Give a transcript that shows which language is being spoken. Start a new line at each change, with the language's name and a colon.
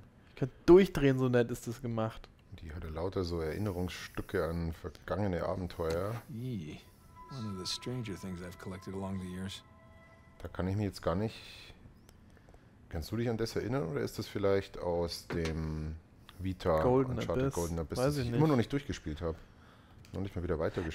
German: Ich könnte durchdrehen, so nett ist das gemacht. Die hatte lauter so Erinnerungsstücke an vergangene Abenteuer.
English: One of the stranger things I've collected along the years.
German: Da kann ich mich jetzt gar nicht... Kannst du dich an das erinnern oder ist das vielleicht aus dem Vita
English: Golden Uncharted Abyss. Golden Abyss,
German: weiß ich nicht. Immer noch nicht durchgespielt habe. Noch nicht mal wieder weitergespielt.